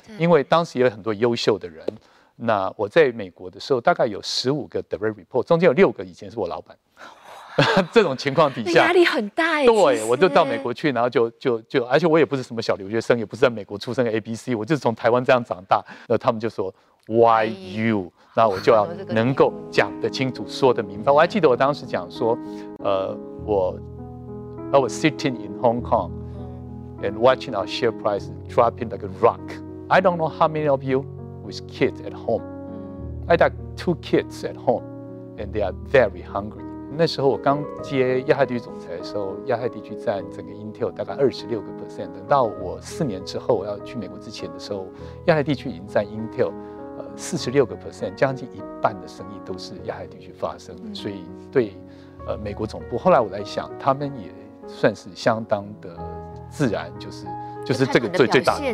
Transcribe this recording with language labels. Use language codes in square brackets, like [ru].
[zh] 因为当时也有很多优秀的人，那我在美国的时候大概有15个 direct report， 中间有6个以前是我老板。这种情况底下压力很大耶。对，我就到美国去，然后就而且我也不是什么小留学生，也不是在美国出生的 ABC， 我就是从台湾这样长大。那他们就说 [en] Why you？ [zh] 那我就要能够讲得清楚，说得明白。我还记得我当时讲说 [en] I was sitting in Hong Kong and watching our share price dropping like a rockI don't know how many of you with kids at home. I got 2 kids at home, and they are very hungry. [zh] 那时候我刚接亚太地区总裁的时候，亚太地区占整个 Intel 大概26%。等到我4年之后要去美国之前的时候，亚太地区已经占 Intel 46%，将近一半的生意都是亚太地区发生的。所以对美国总部，后来我来想，他们也算是相当的自然，就是这个最大的，